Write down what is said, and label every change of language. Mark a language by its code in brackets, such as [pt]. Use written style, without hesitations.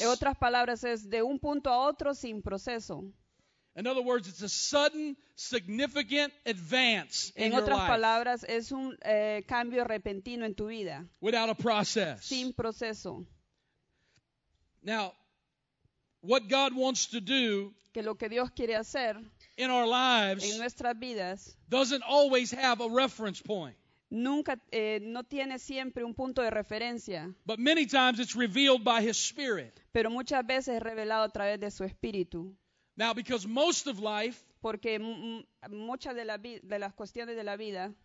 [es] En otras palabras es de un punto a otro sin proceso. [en] In other words, it's a sudden, significant advance in your life. [es] En otras palabras, es un cambio repentino en tu vida. [en] Without a process. [es] Sin proceso. [en] Now, what God wants to do [es] que lo que Dios quiere hacer [en] in our lives [es] en nuestras vidas [en] doesn't always have a reference point. [es] nunca no tiene siempre un punto de referencia. [en] But many times it's revealed by his spirit. [es] Pero muchas veces es revelado a través de su espíritu. [en] Now, because most of life, [es] porque muchas de las cuestiones de la vida,